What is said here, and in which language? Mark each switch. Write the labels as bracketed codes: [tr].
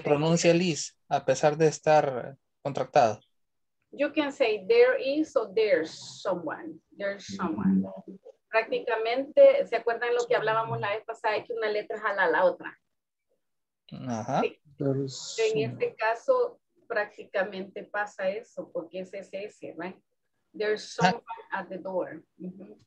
[es] pronuncia el is, a pesar de estar contractado. [en] You can say there is or there's someone. There's someone. [es] Prácticamente, ¿se acuerdan lo que hablábamos la vez pasada? Que una letra jala a la otra. Ajá. Sí. En este caso, prácticamente pasa eso, porque es ese, ese, ¿verdad? [en] Right? There's someone at the door. Uh-huh.